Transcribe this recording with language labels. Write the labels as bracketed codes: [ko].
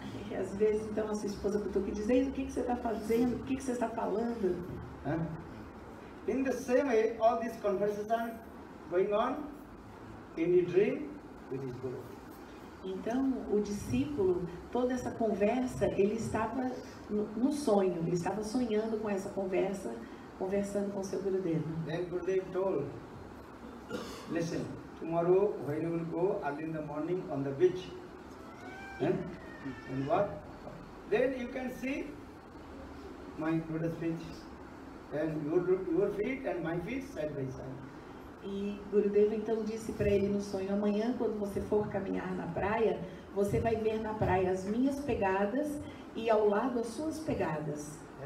[pt] E às vezes, então, a sua esposa cutuca e diz, ei, o que, que você está fazendo? O que, que você está falando? [en] In the same way, all these conversations are going on in a dream with his guru. [pt] Então, o discípulo, toda essa conversa, ele estava no sonho, ele estava sonhando com essa conversa, conversando com seu Gurudev. [en] Then Gurudev told, listen, tomorrow when you will go early in the morning on the beach, and what? Then you can see my Buddha's feet, and your feet and my feet side by side. [pt] E Gurudev então disse para ele no sonho, amanhã quando você for caminhar na praia, você vai ver na praia as minhas pegadas e ao lado as suas pegadas.